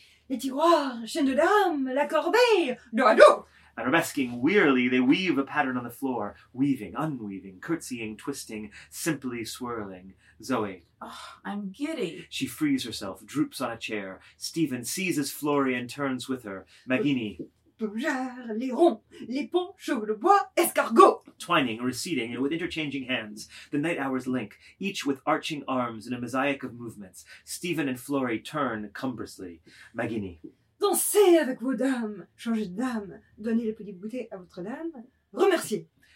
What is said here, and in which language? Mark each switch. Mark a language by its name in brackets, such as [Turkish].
[French] Les tiroirs, chaîne de dame, la corbeille, dos à dos! [English] Arabesquing wearily, they weave a pattern on the floor, weaving, unweaving, curtsying, twisting, simply swirling. Zoe. Oh, I'm giddy. She frees herself, droops on a chair. Stephen seizes Florian and turns with her. Magini. [French] Bougère, les ronds, les ponts, chevaux de bois, escargot. [English] Twining, receding, and with interchanging hands, the night hours link, each with arching arms in a mosaic of movements. Stephen and Flory turn cumbrously. Magini. [French] Dansez avec vos dames, changez de dame, donnez le petit goûter à votre dame, remerciez.